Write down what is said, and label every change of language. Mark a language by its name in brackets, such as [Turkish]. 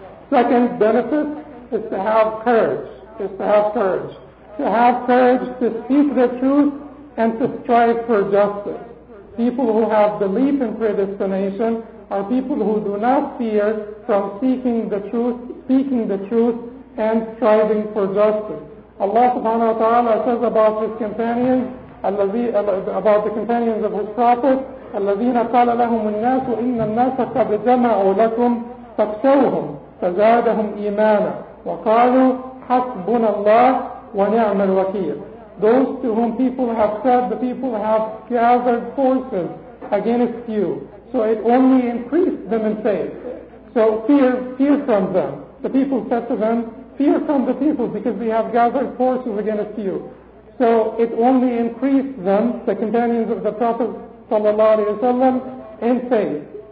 [English] Second benefit is to have courage, To have courage to speak the truth and to strive for justice. People who have belief in predestination are people who do not fear from seeking the truth, and striving for justice. Allah subhanahu wa ta'ala says about His companions, about the companions of His Prophet, [Arabic] الَّذِينَ قَالَ لَهُمُ النَّاسُ إِنَّ النَّاسَ قَدْ جَمَعُوا لَكُمْ فَاخْشَوْهُمْ فَزَادَهُمْ إِيمَانًا وَقَالُوا حَسْبُنَا اللَّهُ وَنِعْمَ الْوَكِيلُ. [English] Those to whom people have said, the people have gathered forces against you. So it only increased them in faith. So fear from them. The people said to them, fear from the people because we have gathered forces against you. So it only increased them, the companions of the Prophet sallallahu alaihi wasallam, in faith.